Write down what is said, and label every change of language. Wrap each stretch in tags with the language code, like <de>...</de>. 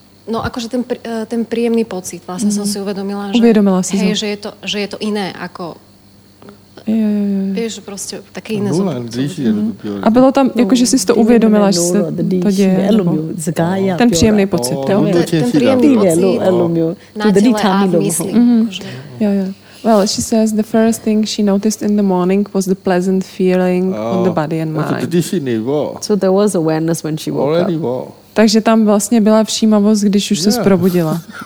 <cs>No, akože ten príjemný pocit, vlastně jsem si uvědomila, že, že je to jiné, jako... Víš, prostě taky jiné zubky. A bylo tam, jakože jsi to uvědomila, že se to děje. Ten příjemný pocit. Ten příjemný pocit na těle a mysli. Jo, jo.</cs> <en>Well, she says the first thing she noticed in the morning was the pleasant feeling on the body and mind. So there was awareness when she woke already up. Well.</en> <cs>Takže tam vlastně byla všímavost, když už se zprobudila.</cs>